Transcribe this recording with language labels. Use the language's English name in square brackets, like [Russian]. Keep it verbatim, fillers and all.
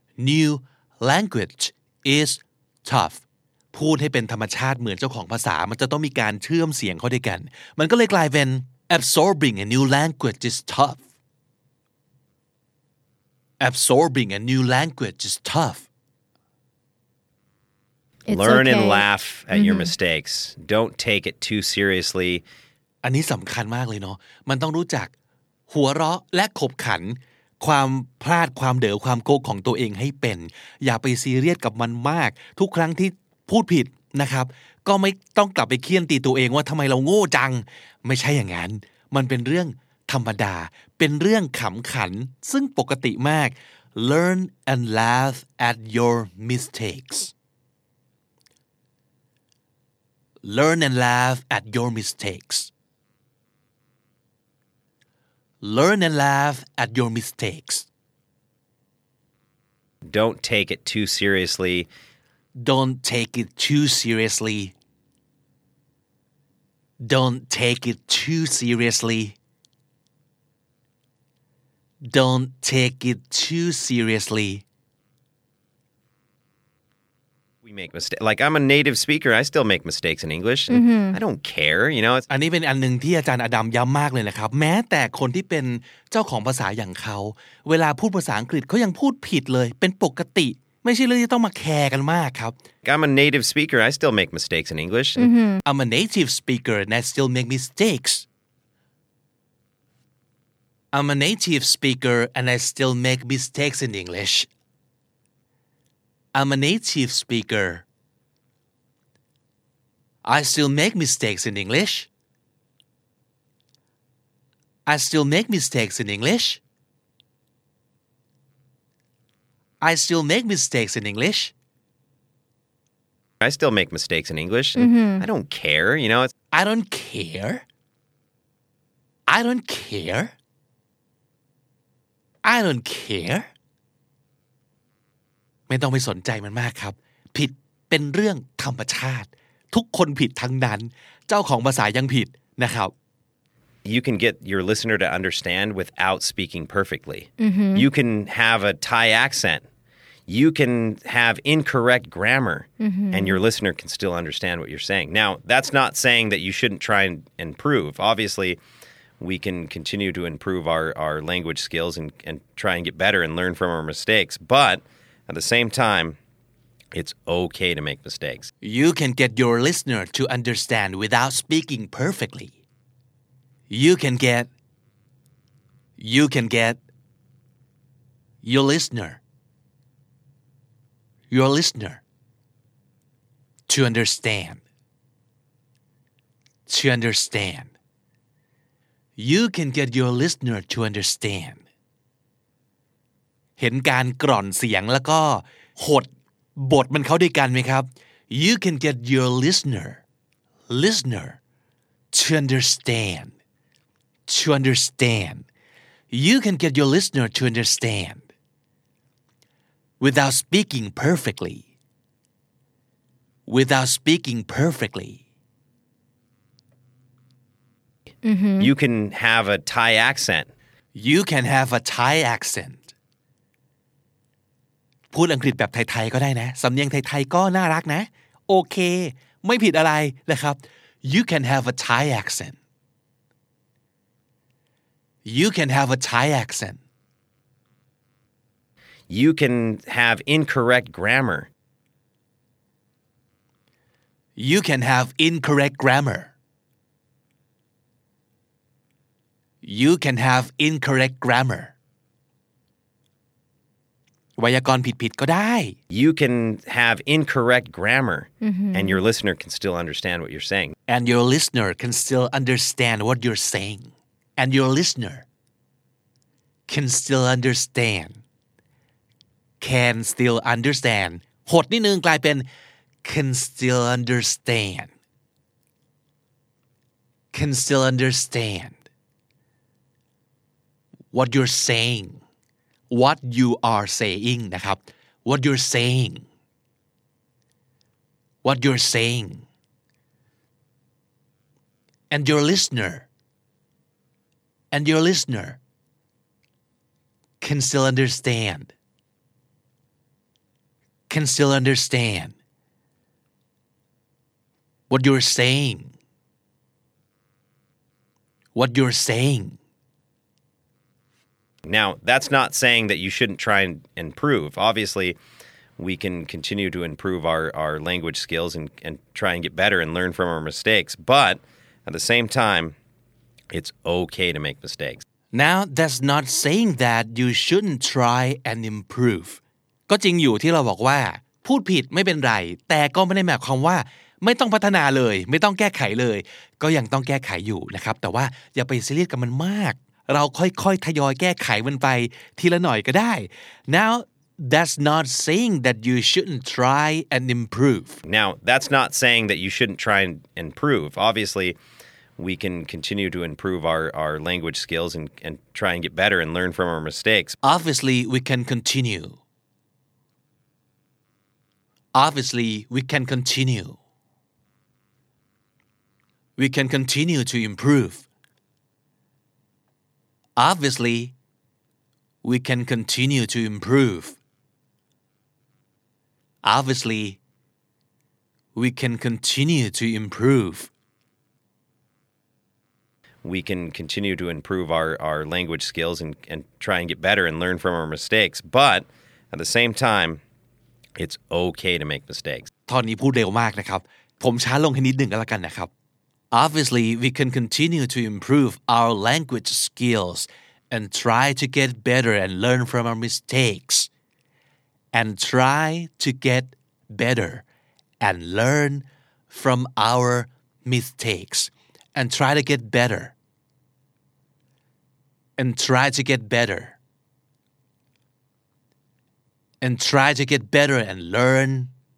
[English] new language is tough [Thai] พูดให้เป็นธรรมชาติเหมือนเจ้าของภาษามันจะต้องมีการเชื่อมเสียงเข้าด้วยกันมันก็เลยกลายเป็น [English] absorbing a new language is tough [Thai] absorbing a new language is tough [English] It's Learn okay. and laugh at mm-hmm. your mistakes. Don't take it too seriously. [Thai] อันนี้สำคัญมากเลยเนาะมันต้องรู้จักหัวเราะและขบขันความพลาดความเด๋อความโกกของตัวเองให้เป็นอย่าไปซีเรียสกับมันมากทุกครั้งที่พูดผิดนะครับก็ไม่ต้องกลับไปเคี่ยนตีตัวเองว่าทำไมเราโง่จังไม่ใช่อย่างนั้นมันเป็นเรื่องธรรมดาเป็นเรื่องขำขันซึ่งปกติมาก [English] Learn and laugh at your mistakes. Learn and laugh at your mistakes. Learn and laugh at your mistakes. Don't take it too seriously. Don't take it too seriously. Don't take it too seriously. Don't take it too seriously. We make mistakes. Like I'm a native speaker. I still make mistakes in English. Mm-hmm. I don't care. You know. It's- [Thai] อันนี้เป็นอันนึงที่อาจารย์อดัมย้ำมากเลยนะครับแม้แต่คนที่เป็นเจ้าของภาษาอย่างเขาเวลาพูดภาษาอังกฤษเขายังพูดผิดเลยเป็นปกติไม่ใช่เรื่องที่ต้องมาแคร์กันมากครับ [English] I'm a native speaker. I still make mistakes in English. Mm-hmm. I'm a native speaker and I still make mistakes. I'm a native speaker and I still make mistakes in English. I'm a native speaker. I still make mistakes in English. I still make mistakes in English. I still make mistakes in English. I still make mistakes in English. Mm-hmm. I don't care, you know. It's- I don't care. I don't care. I don't care. [Thai] ไม่ต้องไปสนใจมันมากครับผิดเป็นเรื่องธรรมชาติทุกคนผิดทั้งนั้นเจ้าของภาษายังผิดนะครับ [English] You can get your listener to understand without speaking perfectly. Mm-hmm. You can have a Thai accent. You can have incorrect grammar, mm-hmm. and your listener can still understand what you're saying. Now, that's not saying that you shouldn't try and improve. Obviously, we can continue to improve our, our language skills and, and try and get better and learn from our mistakes, but... At the same time, it's okay to make mistakes. You can get your listener to understand without speaking perfectly. You can get, you can get your listener, your listener to understand, to understand. You can get your listener to understand. [Thai] เห็นการกร่อนเสียงแล้วก็หดบทมันเข้าด้วยกันไหมครับ [English] You can get your listener listener to understand to understand You can get your listener to understand without speaking perfectly without speaking perfectly mm-hmm. You can have a Thai accent You can have a Thai accent [Thai] พูดอังกฤษแบบไทยๆก็ได้นะสำเนียงไทยๆก็น่ารักนะโอเคไม่ผิดอะไรนะครับ [English] You can have a Thai accent You can have a Thai accent You can have incorrect grammar You can have incorrect grammar You can have incorrect grammar [Thai] ไวยากรณ์ผิดๆก็ได้ [English] You can have incorrect grammar, mm-hmm. and your listener can still understand what you're saying. And your listener can still understand what you're saying. And your listener can still understand. Can still understand. [Thai] หดนิดนึงกลายเป็น [English] can still understand. Can still understand what you're saying.what you are saying [Thai] นะครับ [English] what you're saying what you're saying and your listener and your listener can still understand can still understand what you're saying what you're saying Now, that's not saying that you shouldn't try and improve. Obviously, we can continue to improve our, our language skills and, and try and get better and learn from our mistakes. But at the same time, it's okay to make mistakes. Now, that's not saying that you shouldn't try and improve. [Thai] ก็จริงอยู่ที่เราบอกว่าพูดผิดไม่เป็นไรแต่ก็ไม่ได้หมายความว่าไม่ต้องพัฒนาเลยไม่ต้องแก้ไขเลยก็ยังต้องแก้ไขอยู่นะครับแต่ว่าอย่าไปซีเรียสกับมันมากเราค่อยๆทยอยแก้ไขมันไปทีละหน่อยก็ได้ [English] Now that's not saying that you shouldn't try and improve Now that's not saying that you shouldn't try and improve Obviously we can continue to improve our our language skills and and try and get better and learn from our mistakes Obviously we can continue Obviously we can continue We can continue to improve Obviously, we can continue to improve. Obviously, we can continue to improve. We can continue to improve our, our language skills and, and try and get better and learn from our mistakes. But at the same time, it's okay to make mistakes. [Thai] ตอนนี้พูดเร็วมากนะครับผมช้าลงให้นิดนึงก็แล้วกันนะครับ [English] Obviously, we can continue to improve our language skills and try to get better and learn from our mistakes. And try to get better and learn from our mistakes. And try to get better. And try to get better. And try to get better and learn.